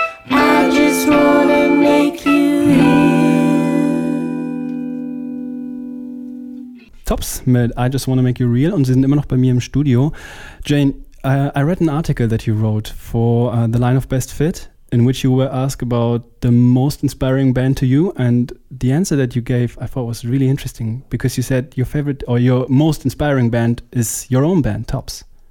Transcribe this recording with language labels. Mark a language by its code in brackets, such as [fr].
[en] I just wanna make you real. [de] Tops mit I Just Wanna Make You Real, und sie sind immer noch bei mir im Studio. [en] Jane, I read an article that you wrote for the Line of Best Fit, in which you were asked about the most inspiring band to you, and the answer that you gave I thought was really interesting, because you said your favorite or your most inspiring band is your own band, Tops.